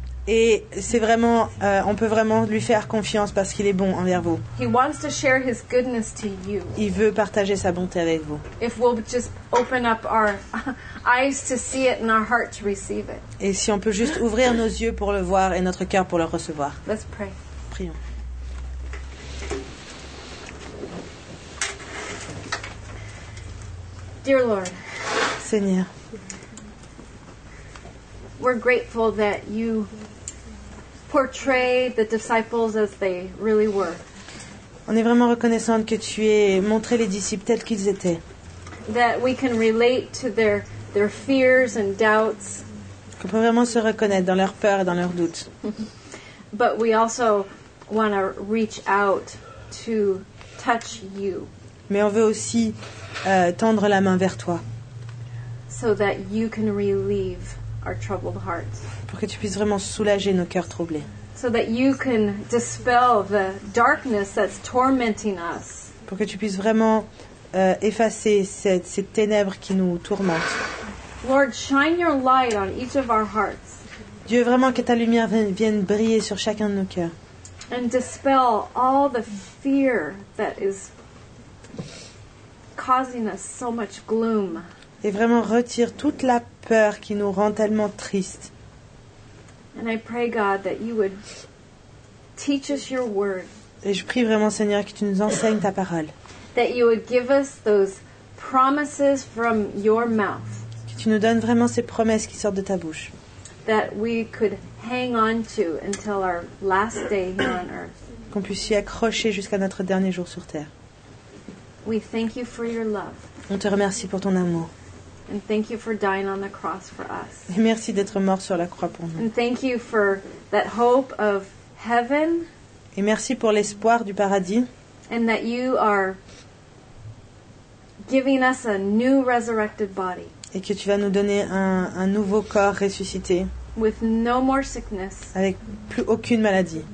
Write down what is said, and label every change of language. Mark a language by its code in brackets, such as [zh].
[fr] Et c'est vraiment, on peut vraiment lui faire confiance parce qu'il est bon envers vous. [en] He wants to share His goodness to you. [fr] Il veut partager sa bonté avec vous. [en] If we'll just open up our eyes to see it and our heart to receive it. [fr] Et si on peut juste ouvrir nos yeux pour le voir et notre cœur pour le recevoir. [en] Let's pray. [fr] Prions. [en] Dear Lord. [fr] Seigneur. [en] We're grateful that you portray the disciples as they really were. [fr] On est vraiment reconnaissante que tu aies montré les disciples tels qu'ils étaient. [en] That we can relate to their fears and doubts. [fr] Qu'on peut vraiment se reconnaître dans leurs peurs et dans leurs doutes. [en] But we also want to reach out to touch you. [fr] Mais on veut aussi tendre la main vers toi. [en] So that you can relieve our troubled hearts. [fr] Pour que tu puisses vraiment soulager nos cœurs troublés. [en] So that you can dispel the darkness that's tormenting us. [fr] Pour que tu puisses vraiment effacer ces ténèbres qui nous tourmentent. [en] Lord, shine your light on each of our hearts. [fr] Dieu, vraiment que ta lumière vienne briller sur chacun de nos cœurs. [en] And dispel all the fear that is causing us so much gloom. [fr] Et vraiment retire toute la peur qui nous rend tellement tristes. [en] And I pray, God, that you would teach us your word. [fr] Et je prie vraiment, Seigneur, que tu nous enseignes ta parole. [en] That you would give us those promises from your mouth. [fr] Que tu nous donnes vraiment ces promesses qui sortent de ta bouche. [en] That we could hang on to until our last day here on earth. [fr] Qu'on puisse y accrocher jusqu'à notre dernier jour sur terre. [en] We thank you for your love. [fr] On te remercie pour ton amour. [en] And thank you for dying on the cross for us. [fr] Et merci d'être mort sur la croix pour nous. [en] And thank you for that hope of heaven. [fr] Et merci pour l'espoir du paradis. [en] And that you are giving us a new resurrected body. [fr] Et que tu vas nous donner un nouveau corps ressuscité. [en] With no more sickness. [fr] Avec plus aucune maladie.